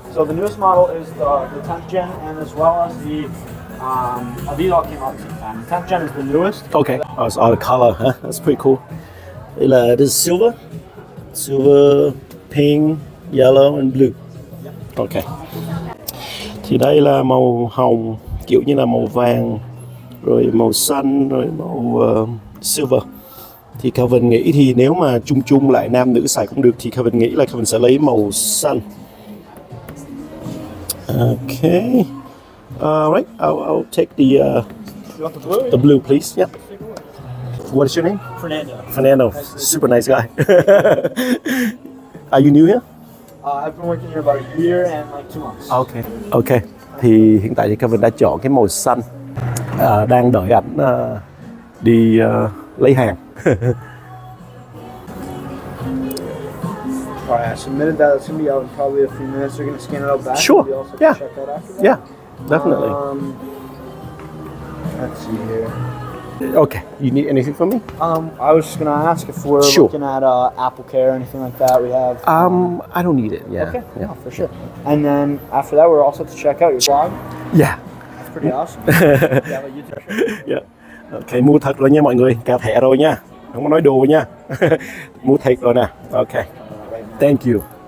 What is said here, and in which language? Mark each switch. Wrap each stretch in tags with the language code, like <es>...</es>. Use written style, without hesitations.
<en>So the newest model is the 10th gen, and as well as the Avito came out at the same time. 10th gen is the newest. Okay. Oh, it's out of color, huh? That's pretty cool. It is silver. Silver, pink, yellow, and blue. Yep. Okay.</en> <vi>Thì đây là màu hồng, kiểu như là màu vàng, rồi màu xanh, rồi màu silver. Thì Kevin nghĩ thì nếu mà chung chung lại nam nữ xài cũng được, thì Kevin nghĩ là Kevin sẽ lấy màu xanh.</vi> <en>Ok. Alright, I'll take the blue? The blue, please. Yeah. What is your name? Fernando. Fernando, nice, super nice guy. Are you new here? I've been working here about a year and like 2 months. Okay.</en> <vi>Thì hiện tại thì Kevin đã chọn cái màu xanh. Đang đợi ảnh đi lấy hàng.</vi> <en>Alright, I submitted that. It's gonna be out in probably a few minutes. You're gonna scan it out back. Sure. And also yeah. Check that after that. Yeah. Definitely. Let's see here. Okay, you need anything from me? I was just gonna ask if we're sure. Looking at AppleCare or anything like that. We have. I don't need it. Yeah. Okay. Yeah, no, for sure. And then after that, we're all set to check out your blog. Yeah. That's pretty awesome. Yeah, YouTube. Yeah.</en> <vi>Okay, mua thật rồi nha mọi người, cà thẻ rồi nha, không có nói đồ nha, mua thật rồi nè, okay,</vi> <en>thank you.</en>